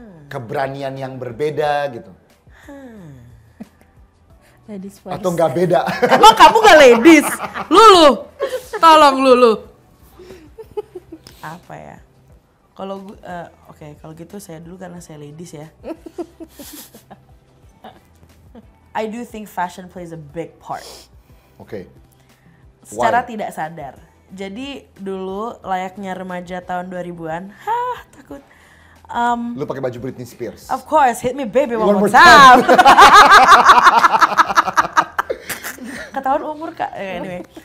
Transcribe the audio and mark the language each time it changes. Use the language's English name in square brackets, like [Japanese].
[Indonesian] Keberanian yang berbeda gitu? [English] Ladies first. [Indonesian] Atau gak beda? Emang kamu gak ladies? Lulu! Tolong Lulu! Apa ya? Kalau kalau gitu saya dulu karena saya ladies ya. [English] I do think fashion plays a big part. [Indonesian] Oke. Okay. Secara tidak sadar. Jadi dulu layaknya remaja tahun 2000-an, takut. Lu pakai baju Britney Spears. [English] Of course, hit me baby one more time. [Indonesian] Ketahuan umur Kak, anyway.